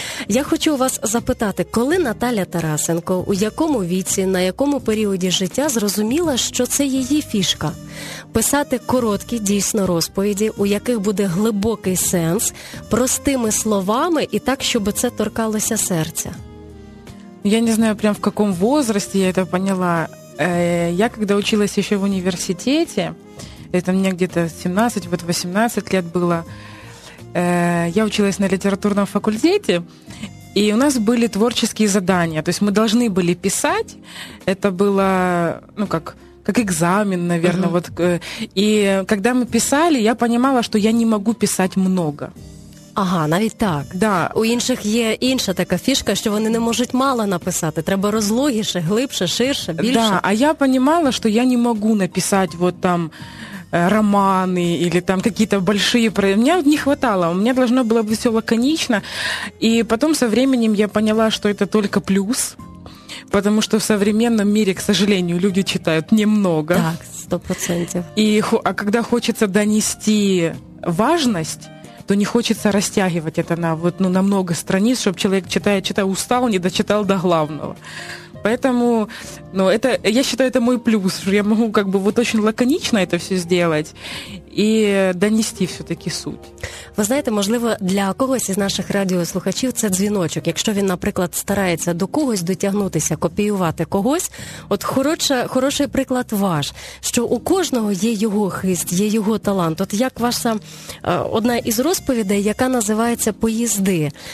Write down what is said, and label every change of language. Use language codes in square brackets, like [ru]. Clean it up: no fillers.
[uk] Я хочу вас запитати, коли Наталя Тарасенко, у якому віці, на якому періоді життя зрозуміла, що це її фішка? Писати короткі, дійсно, розповіді, у яких буде глибокий сенс, простими словами і так, щоб це торкалося серця. Я не знаю, прям в якому возрасті я це поняла. [ru] Я когда училась еще в университете, это мне где-то 18 лет было, я училась на литературном факультете, и у нас были творческие задания, то есть мы должны были писать, это было, ну как экзамен, наверное, вот, и когда мы писали, я понимала, что я не могу писать много. [uk] Ага, навіть так. [ru] Да. [uk] У інших є інша така фішка, що вони не можуть мало написати. Треба розлогіше, глибше, ширше, більше. Да, а я розуміла, що я не можу написати вот там романи [ru] или там какие-то большие проекты. Мне не хватало, у меня должно было быть все лаконично. И потом со временем я поняла, что это только плюс. Потому что в современном мире, к сожалению, люди читают немного. [uk] Так, 100%. [ru] А когда хочется донести важность, то не хочется растягивать это на много страниц, чтобы человек, читая, устал, не дочитал до главного. Поэтому, я считаю, это мой плюс, что я могу очень лаконично это все сделать і донести все-таки суть. [uk] Ви знаєте, можливо, для когось із наших радіослухачів це дзвіночок. Якщо він, наприклад, старається до когось дотягнутися, копіювати когось, от хороший приклад ваш, що у кожного є його хист, є його талант. От як ваша одна із розповідей, яка називається «Поїзди».